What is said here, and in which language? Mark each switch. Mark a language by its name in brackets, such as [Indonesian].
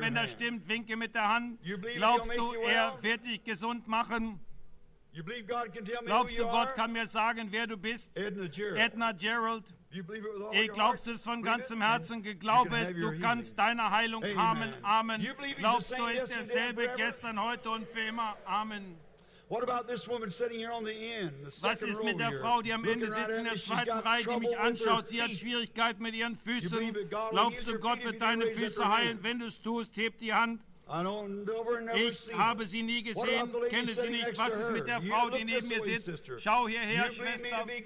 [German] Wenn das stimmt, winke mit der Hand. Glaubst du, er wird dich gesund machen? Glaubst du, Gott kann mir sagen, wer du bist? Edna Gerald. Ich glaubst es von ganzem Herzen, geglaube es, du kannst deine Heilung haben. Amen. Glaubst du, ist derselbe gestern, heute und für immer? Amen. [English] What about this woman sitting here on the end? [German] Was ist mit der Frau, die am Ende sitzt in der zweiten Reihe, die mich anschaut? Sie hat Schwierigkeiten mit ihren Füßen. Glaubst du, Gott wird deine Füße heilen? Wenn du es tust, heb die Hand. Ich habe sie nie gesehen, kenne sie nicht. Was ist mit der Frau, die neben mir sitzt? Schau hierher, Schwester.